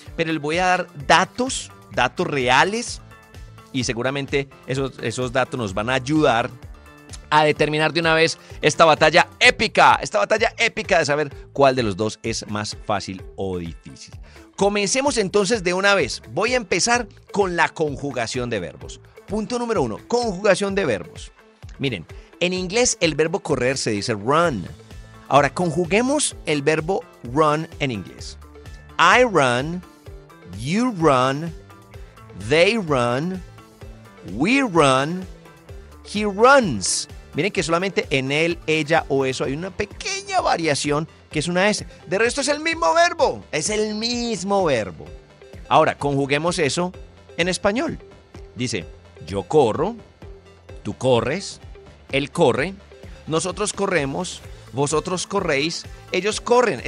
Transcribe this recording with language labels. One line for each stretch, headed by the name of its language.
Spanish: Pero les voy a dar datos reales, y seguramente esos datos nos van a ayudar a determinar de una vez esta batalla épica de saber cuál de los dos es más fácil o difícil. Comencemos entonces de una vez. Voy a empezar con la conjugación de verbos. Punto número uno, conjugación de verbos. Miren, en inglés el verbo correr se dice run. Ahora, conjuguemos el verbo run en inglés.
English: I run, you run, they run, we run, he runs.
Spanish: Miren que solamente en él, ella o eso hay una pequeña variación que es una S. De resto es el mismo verbo. Es el mismo verbo. Ahora, conjuguemos eso en español. Dice, yo corro, tú corres, él corre, nosotros corremos, vosotros corréis, ellos corren.